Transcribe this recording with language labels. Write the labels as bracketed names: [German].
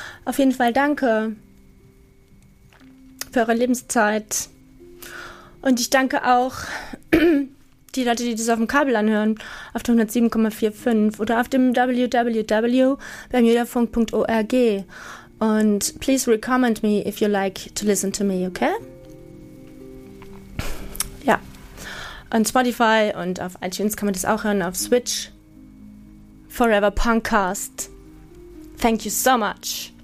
[German] Auf jeden Fall danke für eure Lebenszeit. Und ich danke auch die Leute, die das auf dem Kabel anhören, auf der 107,45 oder auf dem www.bermudafunk.org. [English] Und please recommend me if you like to listen to me, okay? [German] Ja. An Spotify und auf iTunes kann man das auch hören, auf Switch. [English] Forever Punkcast. Thank you so much.